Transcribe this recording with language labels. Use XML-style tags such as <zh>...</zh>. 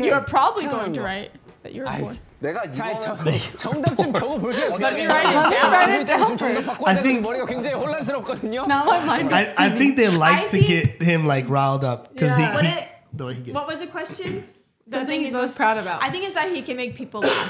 <en>You're probably going to write that you're born.</en> <ko>내가 이거 정답 좀 적어볼게요.</ko> <en>Let me write it down.</en> <ko>지금 정답 바꿔야 되는데 머리가 굉장히 혼란스럽거든요.</ko> <en>Now my mind is spinning. I think they like to get him like riled up. Because he, the way he gets. What was the question? The thing he's most proud about. I think it's that he can make people laugh.</en>